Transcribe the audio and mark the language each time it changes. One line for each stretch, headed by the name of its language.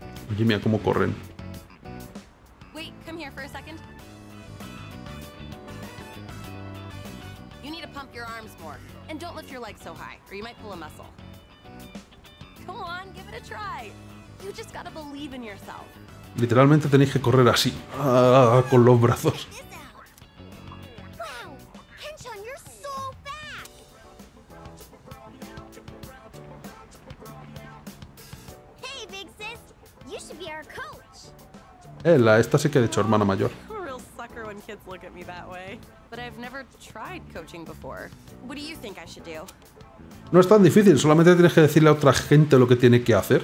Spanish: Oye, mira cómo corren.
English: Here for a second. You need to pump your arms more and don't lift your legs so high or you might pull a muscle. Come on, give it a try. You just gotta believe in yourself.
Spanish: Literalmente tenéis que correr así, con los brazos.
English: Wow, Kenshan, you're so fast. Hey, big sis, you should be our coach.
Spanish: Ella, esta sí que ha dicho hermana mayor.
English: Real sucker when kids look at me that way. But I've never tried coaching before. What do you think I should do?
Spanish: No es tan difícil, solamente tienes que decirle a otra gente lo que tiene que hacer.